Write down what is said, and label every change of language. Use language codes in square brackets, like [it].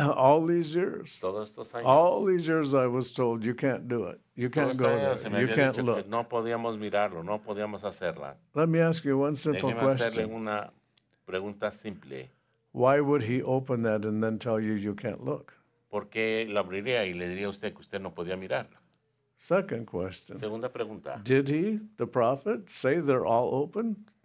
[en] All these years. [es] Todos estos años, [en] all these years I was told you can't do it. You can't go there. You can't look. [es] No podíamos mirarlo, no podíamos hacerla. [en] Let me ask you one simple [es] Déjeme [en] question. [es] Hacerle una pregunta simple. [en] Why would he open that and then tell you you can't look? [es] ¿Por qué la abriría y le diría a usted que usted no podía mirarla? [en] Second question. [es] Segunda pregunta. [en] Did he, the prophet, say they're all open?